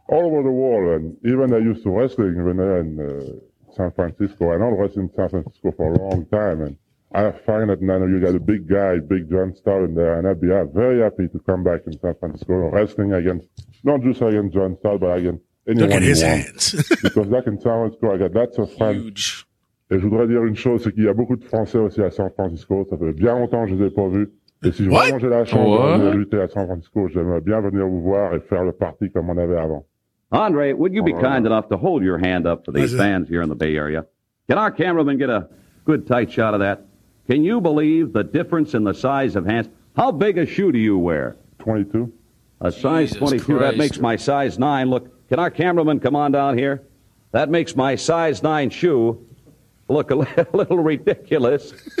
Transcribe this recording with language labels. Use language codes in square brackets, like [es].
[en] All over the world. And even I used to wrestling in San Francisco. I don't wrestle in San Francisco for a long time. And I find that now you got a big guy, big John Starr in there. And I'd be very happy to come back in San Francisco wrestling against, not just against John Starr, but against anyone. Look at his want. Hands. Because back in San Francisco, I got lots of fun. Huge. [fr] Et je voudrais dire une chose, c'est qu'il y a beaucoup de Français aussi à San Francisco. Ça fait bien longtemps que je ne les ai pas vus. Et si [en] what? [fr] Vraiment j'ai la chance what? De lutter à San Francisco, j'aimerais bien venir vous voir et faire le party comme on avait avant. [en] André, would you be kind enough to hold your hand up for these fans here in the Bay Area? Can our cameraman get a good tight shot of that? Can you believe the difference in the size of hands? How big a shoe do you wear? 22. A size Jesus 22, Christ. That makes my size 9. Look, can our cameraman come on down here? That makes my size 9 shoe look a little ridiculous.